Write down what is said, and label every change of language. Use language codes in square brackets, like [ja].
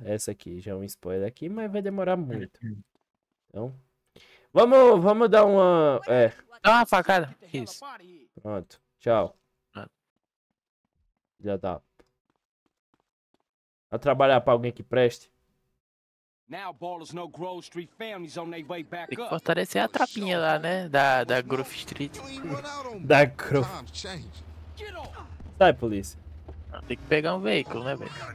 [pt] Essa aqui, já é um spoiler aqui, mas vai demorar muito. Então, vamos dar uma... É. Dá uma facada. Isso. Pronto, tchau. Já dá. Vai trabalhar pra alguém que preste. [en] Now ballers know Grove Street families on their way back up. [pt] Tem que fortalecer a trapinha lá, né? Da Grove Street. Da Grove. Sai, polícia. Tem que pegar um veículo, né, velho?